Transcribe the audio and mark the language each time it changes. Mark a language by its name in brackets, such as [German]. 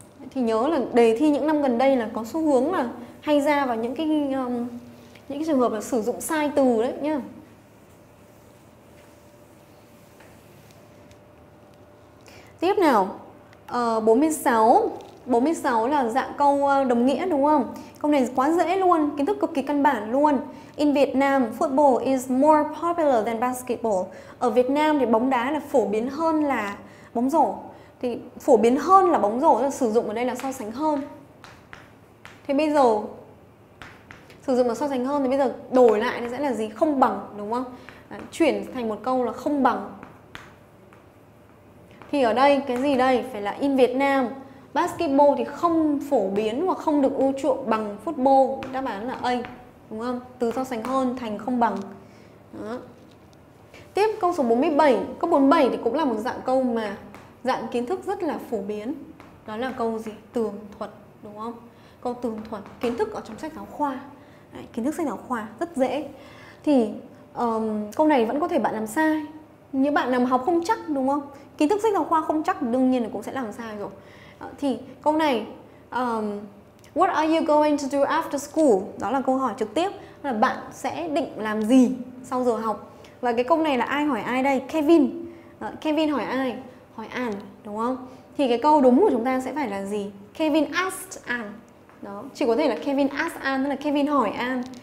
[Vietnamese] Thì nhớ là đề thi những năm gần đây là có xu hướng là hay ra vào những cái trường hợp là sử dụng sai từ đấy nhá. Tiếp nào, 46. 46 là dạng câu đồng nghĩa, đúng không? Câu này quá dễ luôn, kiến thức cực kỳ căn bản luôn. [English] In Vietnam, football is more popular than basketball. [Vietnamese] Ở Việt Nam thì bóng đá là phổ biến hơn là bóng rổ. Thì phổ biến hơn là bóng rổ, sử dụng ở đây là so sánh hơn. Thế bây giờ, sử dụng là so sánh hơn, thì bây giờ đổi lại thì sẽ là gì? Không bằng, đúng không? Chuyển thành một câu là không bằng. thì ở đây cái gì đây, phải là in Việt Nam. Basketball thì không phổ biến và không được ưa chuộng bằng football. Đáp án là A, đúng không? Từ so sánh hơn thành không bằng. Đó. Tiếp câu số 47. Câu 47 thì cũng là một dạng câu mà dạng kiến thức rất là phổ biến. Đó là câu gì? Tường thuật, đúng không? Câu tường thuật, kiến thức ở trong sách giáo khoa. Đấy, kiến thức sách giáo khoa rất dễ. Thì câu này vẫn có thể bạn làm sai. Như bạn nào mà học không chắc, đúng không? Kiến thức sách giáo khoa không chắc đương nhiên là cũng sẽ làm sai rồi. Thì câu này [English] what are you going to do after school? [Vietnamese] Đó là câu hỏi trực tiếp, là bạn sẽ định làm gì sau giờ học. Và cái câu này là ai hỏi ai đây? Kevin. Kevin hỏi ai? Hỏi Anne, đúng không? Thì cái câu đúng của chúng ta sẽ phải là gì? [English] Kevin asked Anne. [Vietnamese] Đó, chỉ có thể là Kevin asked Anne, tức là Kevin hỏi Anne.